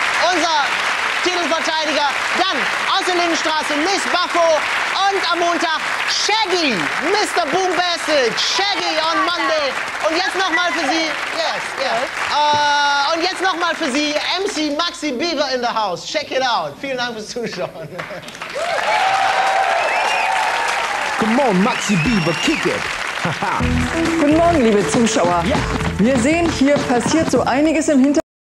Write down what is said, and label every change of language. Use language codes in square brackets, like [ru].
[de] Unser Titelverteidiger. Dann aus der Lindenstraße, Miss Buffo. Und am Montag, Shaggy. Mr. Boom Bastard. [en] Shaggy on Monday. [de] Und jetzt nochmal für Sie. [en] Yes, yes. [de] Und jetzt nochmal für Sie, MC Maxi Bieber [en] in the house. Check it out. [de] Vielen Dank fürs Zuschauen. [en] Come on, Maxi Bieber, kick it. [de] Guten Morgen, liebe Zuschauer. Wir sehen, hier passiert so einiges im Hintergrund.